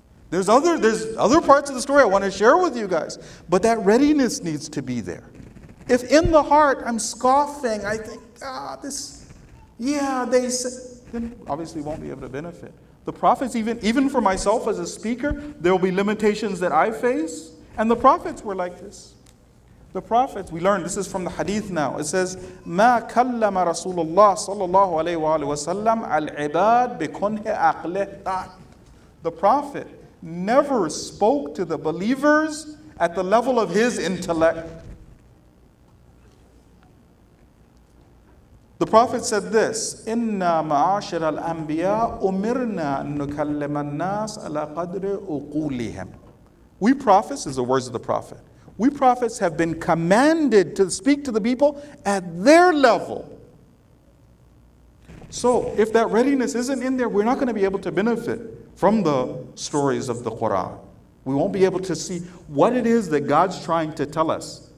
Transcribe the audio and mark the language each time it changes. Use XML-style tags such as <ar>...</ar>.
<en>There's other parts of the story I want to share with you guys. But that readiness needs to be there. If in the heart I'm scoffing, I think, this Yeah, they say, then obviously won't be able to benefit. The prophets, even for myself as a speaker, there will be limitations that I face. And the prophets were like this. The prophets, we learned, this is from the hadith now. It says,</en> <ar>مَا كَلَّمَ رَسُولُ اللَّهِ صَلَّى اللَّهُ عَلَيْهِ وَعَلَيْهِ وَسَلَّمَ الْعِبَادِ بِكُنْهِ أَقْلِهِ.</ar> <en>The prophet never spoke to the believers at the level of his intellect. The prophet said this,</en> <ar>إِنَّا مَعَاشِرَ الْأَنْبِيَاءِ أُمِرْنَا أَن نُكَلِّمَ النَّاسِ عَلَى قَدْرِ أُقُولِهِمْ.</ar> <en>We prophets, is the words of the prophet, we prophets have been commanded to speak to the people at their level. So if that readiness isn't in there, we're not going to be able to benefit from the stories of the Quran. We won't be able to see what it is that God's trying to tell us.</en>